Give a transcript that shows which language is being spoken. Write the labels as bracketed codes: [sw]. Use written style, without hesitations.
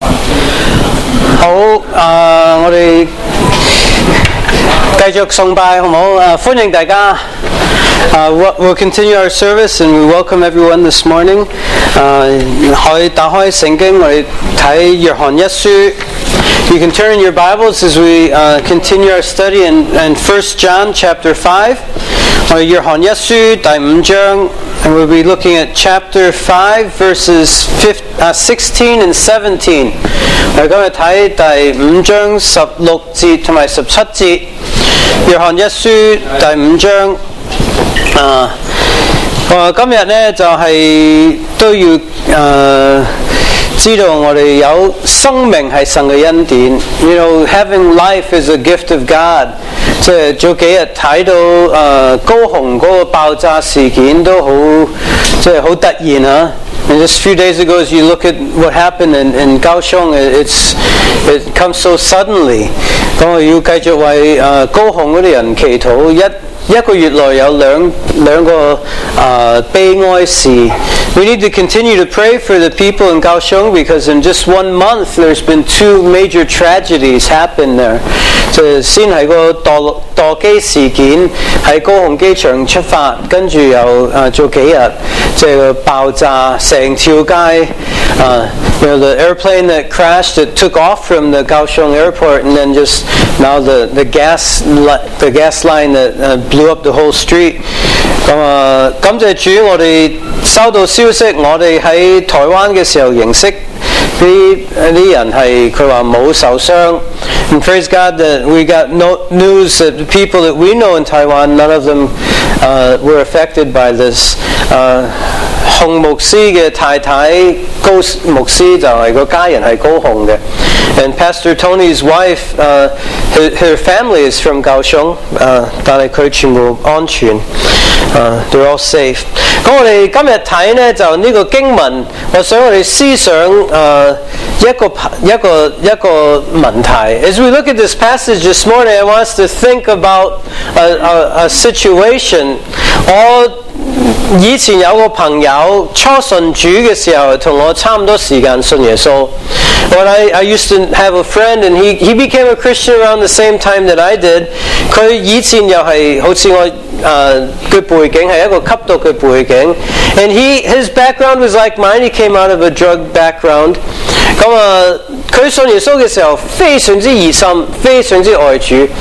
[yue] 好，我哋继续崇拜，好唔好？欢迎大家。 [en] We'll continue our service and we welcome everyone this morning. [yue] 可以打开圣经，我哋睇约翰一书。 [en] You can turn your Bibles as we continue our study in 1 John chapter 5. [yue] 我哋约翰一书第五章。 [en] And we'll be looking at chapter 5, verses 16 and 17. [yue] 我们今天看第五章十六节同埋十七节。约翰一书第五章。今天呢就是都要知道我们有生命是神的恩典。 [en] You know, having life is a gift of God. [yue] 即係早幾日睇到高雄嗰個爆炸事件都好，即係好突然啊！ And just a few days ago, as you look at what happened in Kaohsiung, it comes so suddenly. 咁我要繼續為高雄嗰啲人祈禱。一個月內有兩個悲哀事。 [en] We need to continue to pray for the people in Kaohsiung because in just one month there's been two major tragedies happen there. [yue] 就先係個墮機事件喺高雄機場出發，跟住又做幾日，即係爆炸成條街。 [en] You know, the airplane that crashed, it took off from the Kaohsiung airport, and then just now the gas line that blew up the whole street. [yue] 感謝主，我哋收到消息，我哋喺台灣嘅時候認識啲人係佢話冇受傷。 [en] And praise God that we got no news that the people that we know in Taiwan, none of them were affected by this. [yue] 洪牧師的太太高牧師就係個家人係高雄嘅 [en] ，and Pastor Tony's wife, her family is from Kaohsiung, [yue] 但係佢全部安全 [en] ，they're all safe。 [yue] 咁我哋今日睇咧就呢個經文，我想我哋思想一個問題。 [en] As we look at this passage this morning, I want us to think about a situation. [yue] 我以前有个朋友初信主的时候同我差不多时间信耶稣。 [en] But I used to have a friend and he became a Christian around the same time that I did. [yue] 他以前又是好像我的背景是一个吸毒的背景。 [en] And his background was like mine. He came out of a drug background. [yue] 那他信耶稣的时候非常之热心非常之爱主。